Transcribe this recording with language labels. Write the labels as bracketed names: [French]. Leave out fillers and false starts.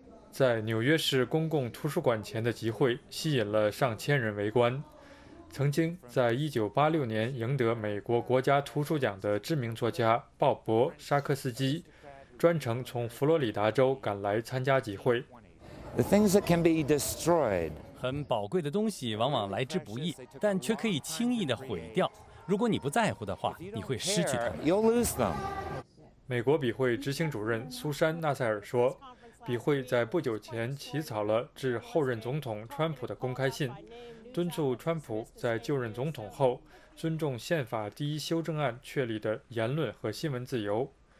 [Chinese] 在纽约市公共图书馆前的集会吸引了上千人围观。曾经在1986年赢得美国国家图书奖的知名作家鲍勃·沙克斯基专程从佛罗里达州赶来参加集会。 [English] The things that can be destroyed. [Chinese] 很宝贵的东西往往来之不易，但却可以轻易地毁掉。如果你不在乎的话，你会失去它们。 [English] You'll lose them. [Chinese] 美国笔会执行主任苏珊·纳塞尔说，笔会在不久前起草了致后任总统川普的公开信，敦促川普在就任总统后尊重宪法第一修正案确立的言论和新闻自由。